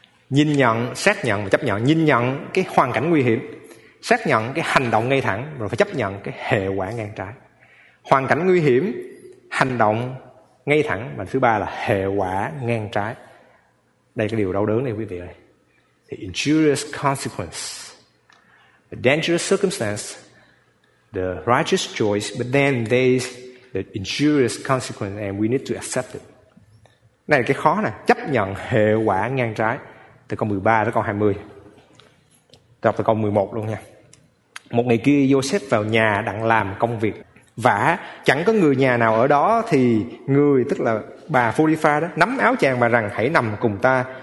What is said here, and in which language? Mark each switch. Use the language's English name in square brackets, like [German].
[Vietnamese] nhìn nhận, xác nhận và chấp nhận. Nhìn nhận cái hoàn cảnh nguy hiểm, xác nhận cái hành động ngay thẳng, rồi phải chấp nhận cái hệ quả ngang trái. Hoàn cảnh nguy hiểm, hành động ngay thẳng, và thứ ba là hệ quả ngang trái. Đây là cái điều đau đớn này quý vị ơi. [English] The injurious consequence, the dangerous circumstance, the righteous choice, but then there's the injurious consequence and we need to accept it. [Vietnamese] Này là cái khó nè, chấp nhận hệ quả ngang trái. Từ câu 13 tới câu 20. Đọc từ câu 11 luôn nha. Một ngày kia Joseph vào nhà đặng làm công việc. Vả chẳng có người nhà nào ở đó thì người, tức là bà Phô-ri-pha đó, nắm áo chàng và rằng hãy nằm cùng ta.